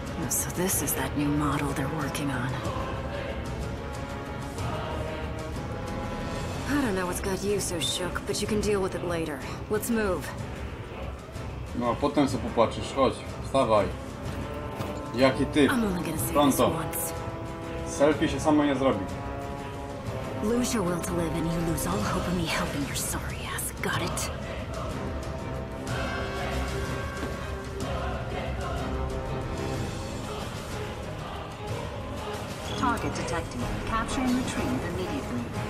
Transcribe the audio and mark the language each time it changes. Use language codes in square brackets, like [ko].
[en] So this is that new model they're working on. I don't know what's got you so shook, but you can deal with it later. Let's move. [pl] No, a potem se popatrzysz. Chodź, wstawaj. Jaki ty? Pronto. Selfie się samo nie zrobi. [en] Lose your will to live and you lose all hope of me helping your sorry ass. Got it? Target detected. Capture and retrieve immediately.